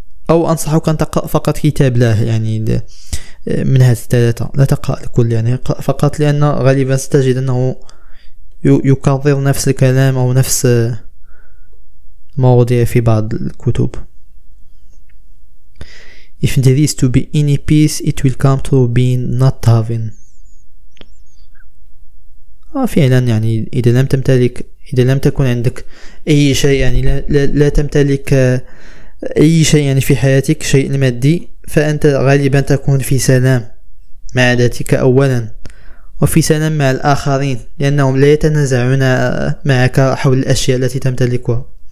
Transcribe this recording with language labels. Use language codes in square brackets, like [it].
[ar] أو أنصحك أن تقرأ فقط كتاب له يعني من هذه الثلاثة، لا تقرأ الكل، يعني فقط، لأن غالبا ستجد أنه يكرر نفس الكلام أو نفس مواضيع في بعض الكتب. [en] If there is to be any peace, it will come through being not having. [ar] فعلا يعني إذا لم تكن عندك أي شيء، يعني لا تمتلك أي شيء يعني في حياتك، شيء مادي، فأنت غالبا تكون في سلام مع ذاتك أولا، وفي سلام مع الآخرين لأنهم لا يتنازعون معك حول الأشياء التي تمتلكها.